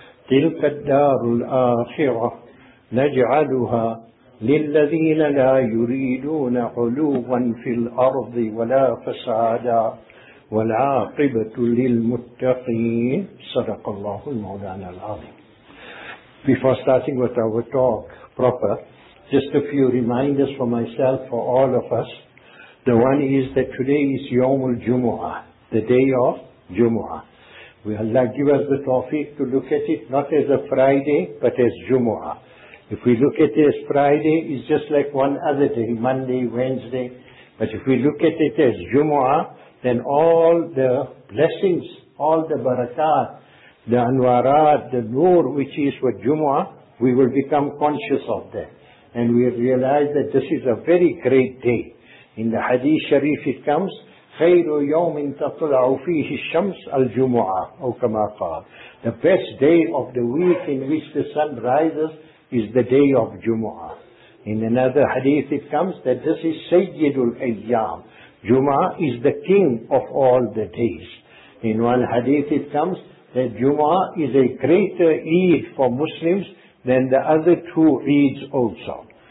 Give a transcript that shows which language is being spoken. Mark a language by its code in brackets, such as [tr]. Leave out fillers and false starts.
[ar] تلك الدار الآخرة نجعلها للذين لا يريدون علوا في الأرض ولا فسادا والعاقبة للمتقين. صدق الله المولانا العظيم. [en] Before starting with our talk proper, just a few reminders for myself, for all of us. The one is that today is Yawm al-Jumu'ah, the day of Jumu'ah. May Allah give us the tawfiq to look at it not as a Friday, but as Jumu'ah. If we look at it as Friday, it's just like one other day, Monday, Wednesday. But if we look at it as Jumu'ah, then all the blessings, all the barakat, the anwarat, the nur, which is what Jumu'ah, we will become conscious of that. And we realize that this is a very great day. In the Hadith Sharif it comes, [ar] خَيْرُ يَوْمٍ تَطْلَعُ فِيهِ الشَّمْسَ الْجُمُعَةِ أو كَمَا قَالَ. [en] The best day of the week in which the sun rises is the day of Jumu'ah. In another Hadith it comes that this is [ar] سَيِّدُ الْأَيَّامِ. [en] Jumu'ah is the king of all the days. In one Hadith it comes that Jumu'ah is a greater Eid for Muslims than the other two Eids also.